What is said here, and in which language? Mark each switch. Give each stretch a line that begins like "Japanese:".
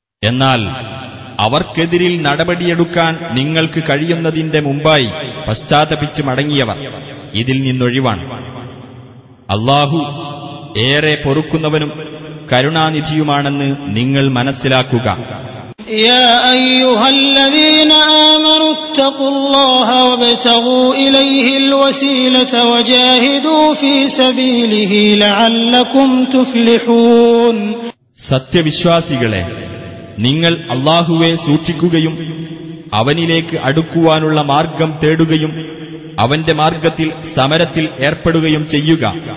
Malayalam: എന്നാൽ അവർക്കെതിരിൽ നടപടിയെടുക്കാൻ നിങ്ങൾക്ക് കഴിയുന്നതിന്റെ മുമ്പായി പശ്ചാത്തപിച്ച് മടങ്ങിയവർ. ഇതിൽ നിന്നൊഴിവാണ്. അല്ലാഹു ഏറെ പൊറുക്കുന്നവനും കരുണാനിധിയുമാണെന്ന് നിങ്ങൾ മനസ്സിലാക്കുക.
Arabic: يا ايها الذين امنوا اتقوا الله وابتغوا اليه الوسيله وجاهدوا في سبيله لعلكم تفلحون
Malayalam: സത്യവിശ്വാസികളെ, നിങ്ങൾ അല്ലാഹുവേ സൂക്ഷിക്കുകയും അവനിലേക്ക് അടുക്കുവാനുള്ള മാർഗം തേടുകയും അവന്റെ മാർഗത്തിൽ സമരത്തിൽ ഏർപ്പെടുകയും ചെയ്യുക.